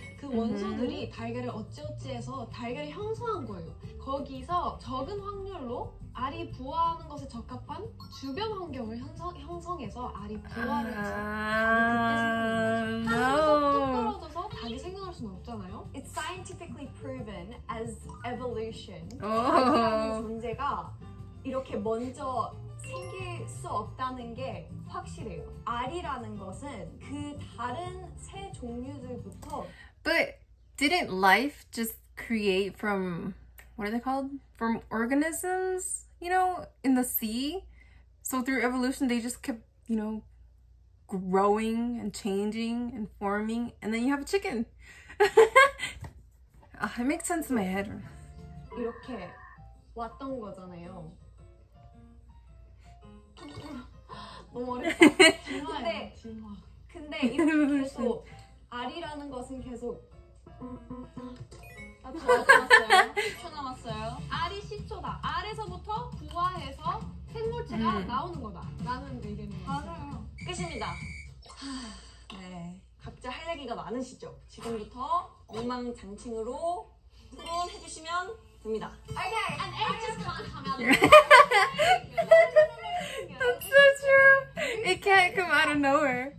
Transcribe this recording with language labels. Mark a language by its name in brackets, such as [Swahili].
[Korean] 그 원소들이 달걀을 어찌어찌해서 달걀을 형성한 거예요. 거기서 적은 확률로 알이 부화하는 것에 적합한 주변 환경을 형성해서 알이 부화를 해서 그때 생겨나죠. 한 떨어져서 닭이 생겨날 수는 없잖아요. It's scientifically proven as evolution. 닭이라는 존재가 이렇게 먼저 생길 수 없다는 게 확실해요. 알이라는 것은 그 다른 새 종류들부터 [English] But didn't life just create from, what are they called? From organisms, you know, in the sea? So through evolution, they just kept, you know, growing and changing and forming. And then you have a chicken. Ah, it makes sense in my head. [Korean] 이렇게 왔던 거잖아요. 너무 어렵다. 근데 이렇게 계속 알이라는 것은 계속 10초 남았어요. 알이 10초다. 알에서부터 부화해서 생물체가 나오는 거다. 라는 의견이에요. 맞아요. 끝입니다. 네, 각자 할 얘기가 많으시죠? 지금부터 엉망장칭으로 토론해 주시면 됩니다. [English] Okay, an egg just can't come out. That's so true. It can't come out of nowhere.